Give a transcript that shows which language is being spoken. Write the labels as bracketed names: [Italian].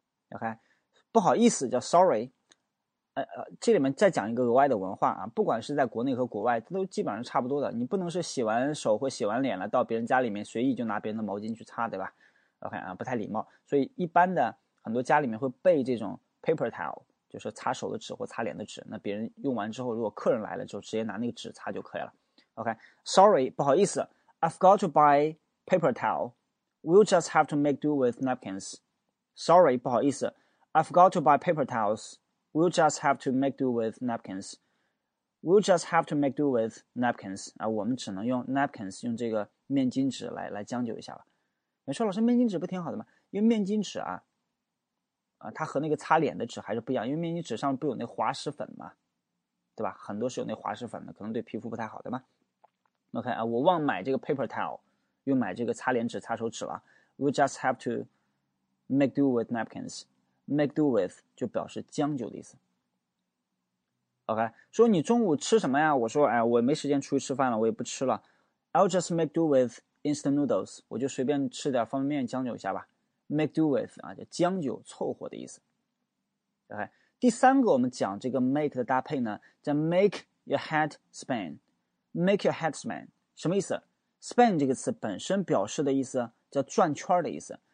[Chinese] OK， 不好意思叫 sorry。这里面再讲一个额外的文化啊，不管是在国内和国外，它都基本上差不多的。你不能是洗完手或洗完脸了，到别人家里面随意就拿别人的毛巾去擦，对吧 ？OK 啊，不太礼貌。所以一般的很多家里面会备这种 paper towel， 就是擦手的纸或擦脸的纸。那别人用完之后，如果客人来了，就直接拿那个纸擦就可以了。 [English] OK，sorry， [Chinese] 不好意思， [English] I've got to buy paper towel. We'll just have to make do with napkins. Sorry， [Chinese] 不好意思， [English] I've got to buy paper towels. We'll just have to make do with napkins. We'll just have to make do with napkins. [Chinese] 啊，我们只能用 napkins，用这个面巾纸来将就一下吧。你说老师，面巾纸不挺好的吗？因为面巾纸啊，它和那个擦脸的纸还是不一样，因为面巾纸上不有那滑石粉嘛，对吧？很多是有那滑石粉的，可能对皮肤不太好，对吗？OK 啊，我忘买这个 paper towel，又买这个擦脸纸、擦手纸了。 [English] We just have to make do with napkins. [Chinese] Make do with 就表示将就的意思。OK，说你中午吃什么呀？我说，哎，我没时间出去吃饭了，我也不吃了。 [English] I'll just make do with instant noodles. [Chinese] 我就随便吃点方便面将就一下吧。Make do with 啊，就将就、凑合的意思。 OK，第三个我们讲这个 make 的搭配呢，叫 make your head spin。 Make your head spin 什么意思？spin 这个词本身表示的意思叫转圈的意思。